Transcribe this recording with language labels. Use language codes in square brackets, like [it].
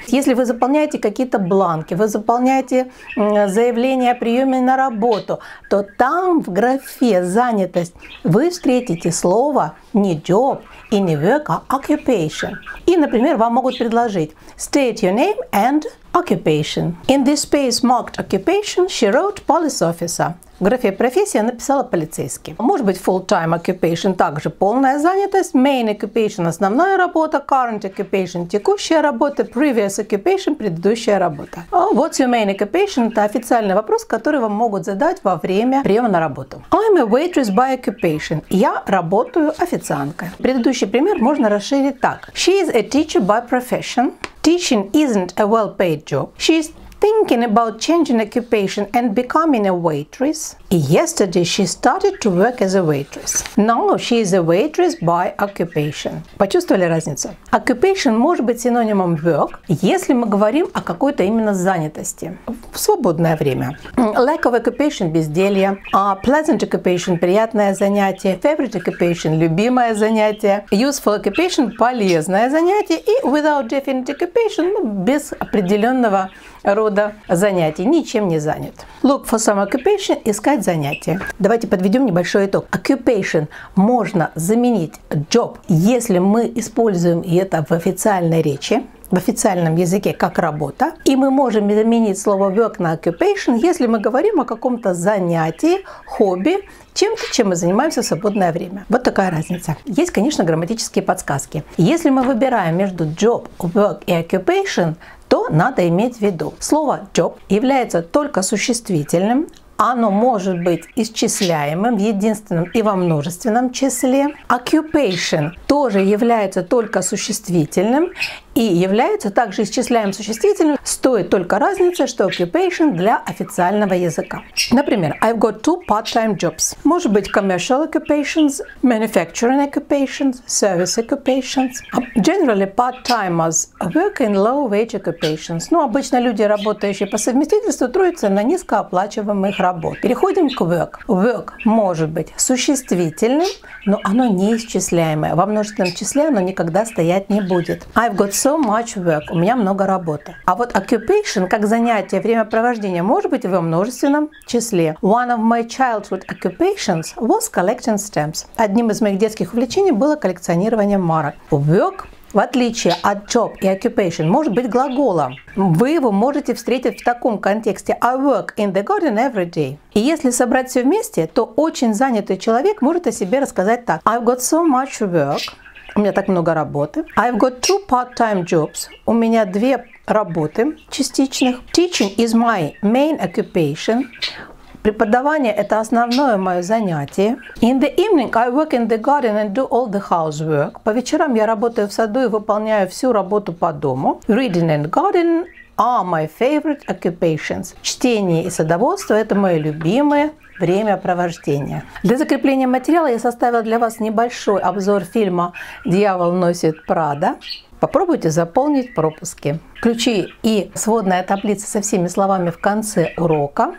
[ru] Если вы заполняете какие-то бланки, вы заполняете заявление о приеме на работу, то там в графе занятость вы встретите слово не job и не work, а occupation. И, например, вам могут предложить [en] state your name and occupation. In this space marked occupation, she wrote police officer. [ru] В графе «профессия» написала «полицейский». Может быть, [en] full-time occupation [ru] – также полная занятость. [en] Main occupation [ru] – основная работа. [en] Current occupation [ru] – текущая работа. [en] Previous occupation [ru] – предыдущая работа. [en] What's your main occupation [ru] – это официальный вопрос, который вам могут задать во время приема на работу. [en] I'm a waitress by occupation. [ru] Я работаю официанткой. Предыдущий пример можно расширить так. [en] She is a teacher by profession. Teaching isn't a well-paid job. She is thinking about changing occupation and becoming a waitress. Yesterday she started to work as a waitress. Now she is a waitress by occupation. [ru] Почувствовали разницу? Occupation может быть синонимом work, если мы говорим о какой-то именно занятости в свободное время. [en] Lack of occupation – безделье. Pleasant occupation [ru] – приятное занятие. [en] Favorite occupation [ru] – любимое занятие. [en] Useful occupation [ru] – полезное занятие. И [en] without definite occupation [ru] – без определенного рода занятий, ничем не занят. [en] Look for some occupation – [ru] искать занятие. Давайте подведем небольшой итог. Occupation можно заменить job, если мы используем это в официальной речи, в официальном языке, как работа. И мы можем заменить слово work на occupation, если мы говорим о каком-то занятии, хобби, чем-то, чем мы занимаемся в свободное время. Вот такая разница. Есть, конечно, грамматические подсказки. Если мы выбираем между job, work и occupation, то надо иметь в виду, слово job является только существительным, оно может быть исчисляемым в единственном и во множественном числе. Occupation тоже является только существительным и является также исчисляемым существительным. Стоит только разница, что occupation для официального языка. [en] Например, I've got two part-time jobs. [ru] Может быть [en] commercial occupations, manufacturing occupations, service occupations. Generally, part-timers work in low-wage occupations. [ru] Ну, обычно люди, работающие по совместительству, трудятся на низкооплачиваемых работ. Переходим к work. Work может быть существительным, но оно неисчисляемое. Во множественном числе оно никогда стоять не будет. [en] I've got so much work. [ru] У меня много работы. А вот occupation, как занятие, времяпровождение, может быть во множественном числе. [en] One of my childhood occupations was collecting stamps. [ru] Одним из моих детских увлечений было коллекционирование марок. Work, в отличие от job и occupation, может быть глаголом. Вы его можете встретить в таком контексте. [en] I work in the garden every day. [ru] И если собрать все вместе, то очень занятый человек может о себе рассказать так. [en] I've got so much work. [ru] У меня так много работы. [en] I've got two part-time jobs. [ru] У меня две работы частичных. [en] Teaching is my main occupation. [ru] Преподавание – это основное мое занятие. [en] In the evening I work in the garden and do all the housework. [ru] По вечерам я работаю в саду и выполняю всю работу по дому. [en] Reading and gardening – are my favorite occupations. [ru] Чтение и садоводство – это мои любимые времяпровождения. Для закрепления материала я составила для вас небольшой обзор фильма «Дьявол носит Прада». Попробуйте заполнить пропуски. Ключи и сводная таблица со всеми словами в конце урока.